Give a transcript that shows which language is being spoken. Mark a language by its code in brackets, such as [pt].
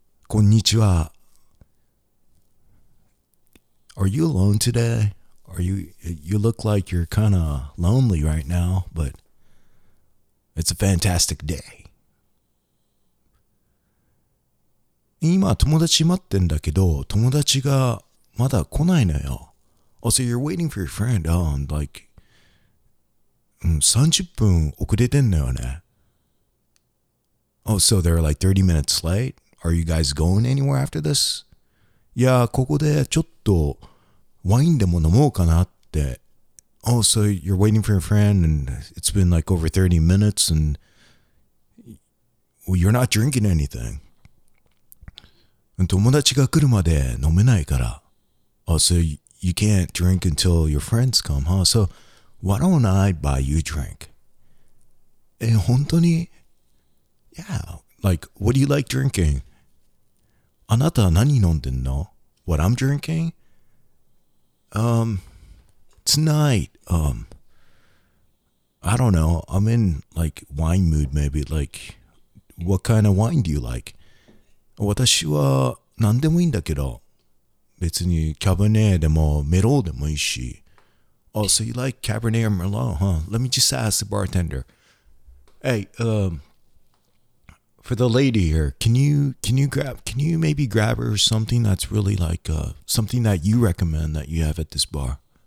[ja] Konnichiwa. [en] Are you alone today? You look like you're kind of lonely right now, but it's a fantastic day. [ja] 今友達待ってんだけど友達がまだ来ないのよ. [en] Oh, so you're waiting for your friend. Oh, and like [ja] 30分遅れてんのよね. [en] Oh, so they're like 30 minutes late. Are you guys going anywhere after this? [ja] いやここでちょっとワインでも飲もうかなって. [en] Oh, so you're waiting for your friend and it's been like over 30 minutes and well, you're not drinking anything. [ja] 友達が来るまで飲めないから。 [en] Oh, so you can't drink until your friends come, huh? So why don't I buy you a drink? Eh, [ja] 本当に? [en] Yeah, like, what do you like drinking? [ja] あなた何飲んでんの? [en] What I'm drinking? Tonight, I don't know, I'm in, like, wine mood maybe, like, what kind of wine do you like? [ja] 私は何でもいいんだけど。別にキャバネでもメローでもいいし。 [en] Oh, so you like Cabernet or Merlot, huh? Let me just ask the bartender. Hey, for the lady here, can you maybe grab her something that's really like something that you recommend that you have at this bar?